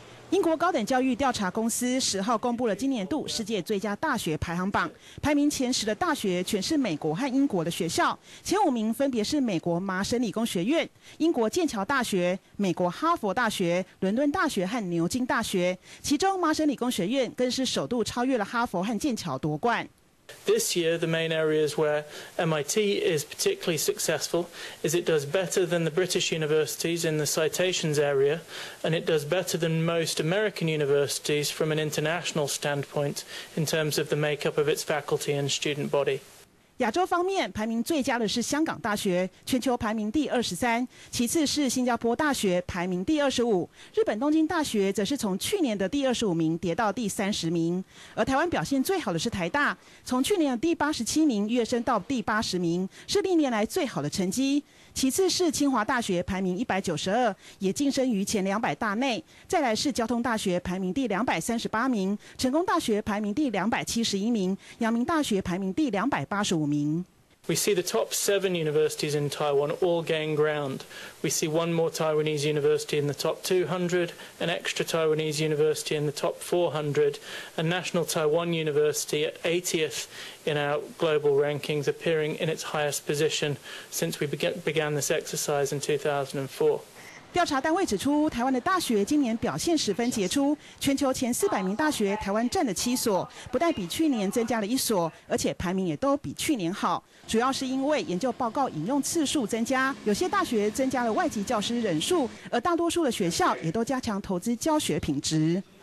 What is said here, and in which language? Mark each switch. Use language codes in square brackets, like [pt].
[zh] 英国高等教育调查公司10号公布了今年度世界最佳大学排行榜，排名前10的大学全是美国和英国的学校，前五名分别是美国麻省理工学院、英国剑桥大学、美国哈佛大学、伦敦大学和牛津大学，其中麻省理工学院更是首度超越了哈佛和剑桥夺冠。 [en] This year, the main areas where MIT is particularly successful is it does better than the British universities in the citations area, and it does better than most American universities from an international standpoint in terms of the makeup of its faculty and student body. [zh] 亚洲方面，排名最佳的是香港大学，全球排名第23，其次是新加坡大学，排名第25，日本东京大学则是从去年的第25名跌到第30名。而台湾表现最好的是台大，从去年的第87名跃升到第80名，是历年来最好的成绩。其次是清华大学，排名192，也晋升于前200大内。再来是交通大学，排名第238名，成功大学排名第271名，阳明大学排名第285。 [en] We see the top 7 universities in Taiwan all gain ground. We see one more Taiwanese university in the top 200, an extra Taiwanese university in the top 400, a national Taiwan university at 80th in our global rankings, appearing in its highest position since we began this exercise in 2004. [zh] 调查单位指出，台湾的大学今年表现十分杰出，全球前400名大学，台湾占了7所，不但比去年增加了1所，而且排名也都比去年好。主要是因为研究报告引用次数增加，有些大学增加了外籍教师人数，而大多数的学校也都加强投资教学品质。